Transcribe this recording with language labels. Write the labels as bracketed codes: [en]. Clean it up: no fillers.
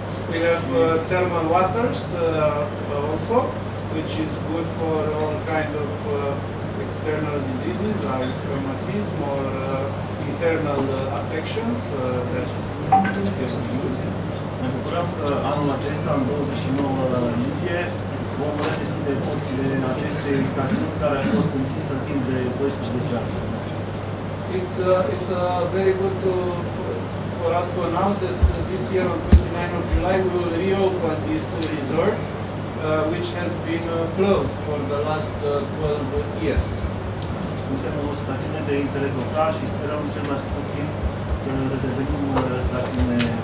[en] We have thermal waters also, which is good for all kind of external diseases like rheumatism or internal affections that can be used. [ro] Ne bucurăm că anul acesta, în 29 iulie, vom redeschide porțile în aceste stațiuni care au fost închise timp de 12 ani. [en] It's very good to, for us to announce that this year on 29 of July we will reopen this resort, which has been closed for the last 12 years. [ro] Suntem o stațiune de interes local și sperăm cel mai scurt timp să redevenim stațiune.